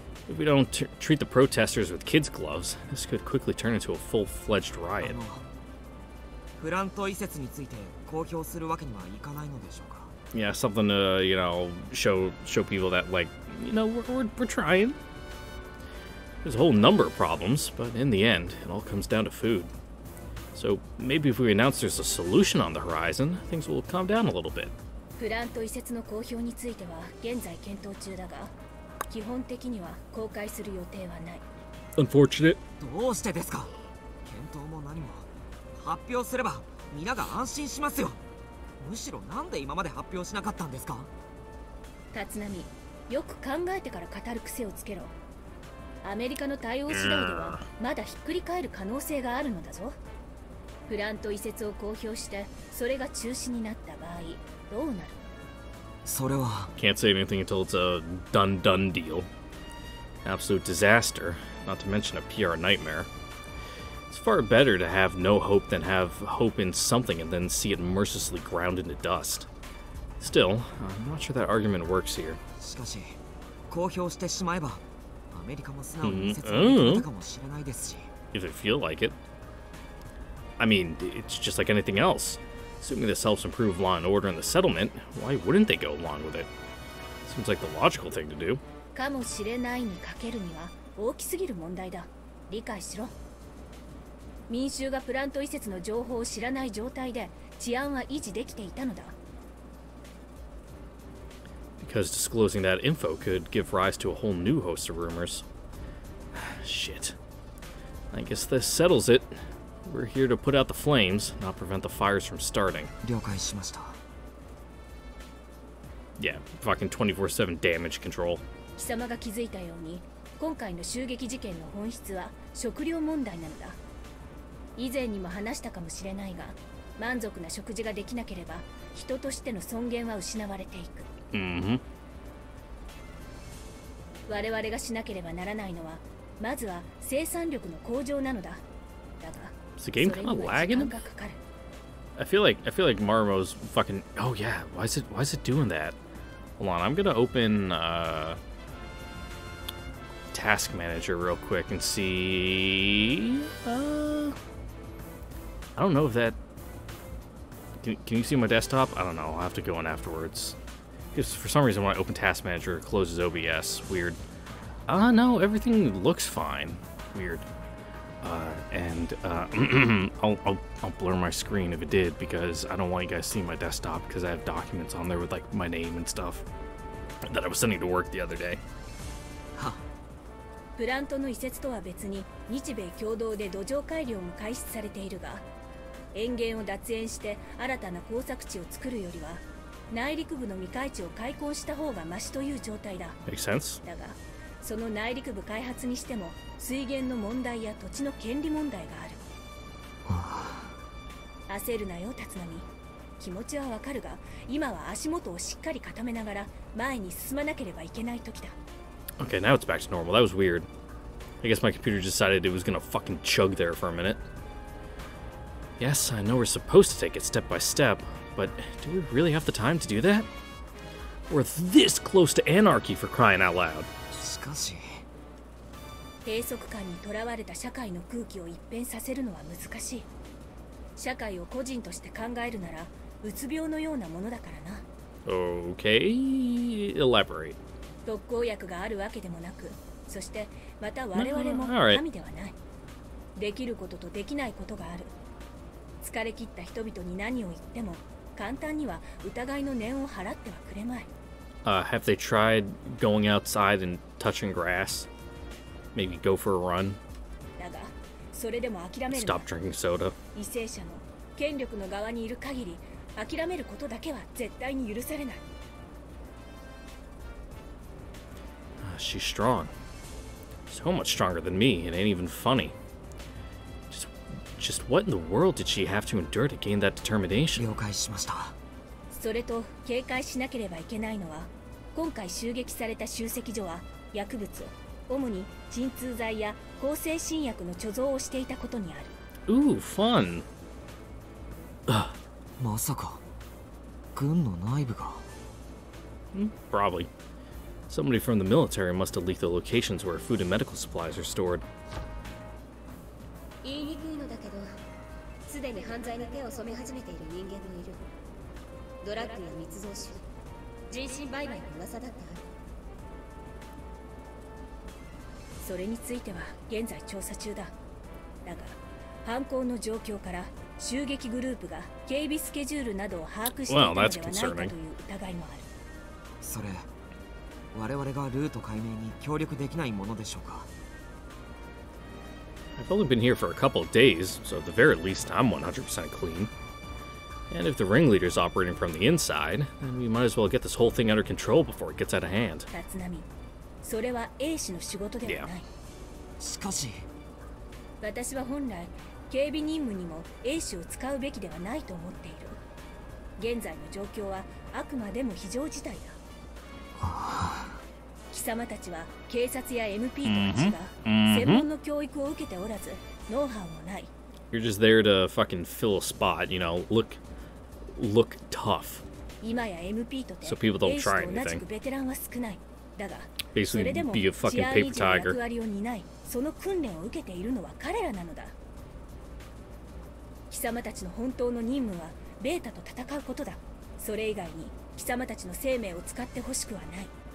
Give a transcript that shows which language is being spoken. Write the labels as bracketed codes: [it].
[en] If we don't treat the protesters with kids gloves, this could quickly turn into a full-fledged riot. [ja] フラント移設について公表するわけにはいかないのでしょうか。 [en] Yeah, something to, you know, show people that, like, you know, we're trying. There's a whole number of problems, but in the end, it all comes down to food. So maybe if we announce there's a solution on the horizon, things will calm down a little bit. [ja] プラント移設の公表については現在検討中だが、基本的には公開する予定はない。 [en] Unfortunate. [ja] どうしてですか？検討も何も。発表すれば皆が安心しますよ。むしろなんで今まで発表しなかったんですか？立浪、よく考えてから語る癖をつけろ。アメリカの対応次第ではまだひっくり返る可能性があるのだぞ。プラント移設を公表してそれが中止になった場合どうなる？それは [en] Can't say anything until it's a done done deal. Absolute disaster, not to mention a PR nightmare. It's far better to have no hope than have hope in something and then see it mercilessly ground into dust. Still, I'm not sure that argument works here. [ja] しかし、公表してしまえば、アメリカも素直に説明できるかもしれないですし。 [en] If it feel like it. I mean, it's just like anything else. Assuming this helps improve law and order in the settlement, why wouldn't they go along with it? Seems like the logical thing to do. [ja] かもしれないにかけるには大きすぎる問題だ。理解しろ。民衆がプラント移設の情報を知らない状態で治安は維持できていたのだ。 [en] Because disclosing that info could give rise to a whole new host of rumors. Shit. I guess this settles it. We're here to put out the flames, not prevent the fires from starting. [ja] 了解しました。 [en] Yeah, fucking 24/7 damage control. [ja] 貴様が気づいたように、今回の襲撃事件の本質は食料問題なのだ。以前にも話したかもしれないが、満足な食事ができなければ、人としての尊厳は失われていく。 Mm-hmm. 我々がしなければならないのは、まずは生産力の向上なのだ。だが、それには時間がかかる。 [en] I feel like Marmo's fucking... Oh yeah, why is it doing that? Hold on, I'm gonna open, Task Manager real quick and see... I don't know if that... Can you see my desktop? I don't know. I'll have to go in afterwards. Because for some reason, when I open Task Manager, it closes OBS. Weird. No, everything looks fine. Weird. I'll blur my screen if it did, because I don't want you guys seeing my desktop, because I have documents on there with, like, my name and stuff that I was sending to work the other day. Huh. [ja] プラントの移設とは別に日米共同で土壌改良も開始されているが、塩原を脱塩して新たな耕作地を作るよりは内陸部の未開地を開墾した方がマシという状態だ。 [en] Makes sense. [ja] だがその内陸部開発にしても水源の問題や土地の権利問題がある。焦るなよ立浪、気持ちはわかるが今は足元をしっかり固めながら前に進まなければいけない時だ。 [en] Okay, now it's back to normal. That was weird. I guess my computer decided it was gonna fucking chug there for a minute. Yes, I know we're supposed to take it step by step, but do we really have the time to do that? We're this close to anarchy, for crying out loud. [ja] しかし、閉塞感にとらわれた社会の空気を一変させるのは難しい。社会を個人として考えるなら、うつ病のようなものだからな。 [en] Okay, elaborate. [ja] 特効薬があるわけでもなく、そしてまた我々も神ではない。できることとできないことがある。疲れ切った人々に何を言っても、簡単には疑いの念を払ってはくれまい。 [en] Have they tried going outside and touching grass? Maybe go for a run? [ja] だが、それでも諦める。 [en] Stop drinking soda. [ja] 為政者の権力の側にいる限り、諦めることだけは絶対に許されない。 [en] She's strong. So much stronger than me, it ain't even funny. Just what in the world did she have to endure to gain that determination? [ja] 了解しました。それと警戒しなければいけないのは、今回襲撃された集積所は薬物を主に鎮痛剤や抗精神薬の貯蔵をしていたことにある。 [en] Ooh, fun. [ja] まさか軍の内部が。 [en] Probably. Somebody from the military must have leaked the locations where food and medical supplies are stored. [ja] 言いにくいのだけど、すでに犯罪に手を染め始めている人間もいる。ドラッグや密造酒、人身売買の噂だってある。それについては現在調査中だ。だが犯行の状況から襲撃グループが警備スケジュールなどを把握していたのではないかという疑いもある。それ我々がルート解明に協力できないものでしょうか。 [en] I've only been here for a couple of days, so at the very least I'm 100% clean. And if the ringleader's operating from the inside, then we might as well get this whole thing under control before it gets out of hand. [ja] Tatsunami, それは A 氏の仕事ではない。 [en] Yeah. [ja] しかし、私は本来警備任務にも A 氏を使うべきではないと思っている。現在の状況はあくまでも非常事態だ。貴様たちは警察や MP とは違う、専門の教育を受けておらず、ノウハウもない。 [en] You're just there to fucking fill a spot, you know, look tough. [ja] 今や MP とて、 [en] so people don't try anything. [ja] 同じくベテランは少ない。だが、 [en] basically be a fucking paper tiger. [ja] 役割を担い、その訓練を受けているのは彼らなのだ。貴様たちの本当の任務はベータと戦うことだ。それ以外に貴様たちの生命を使ってほしくはない。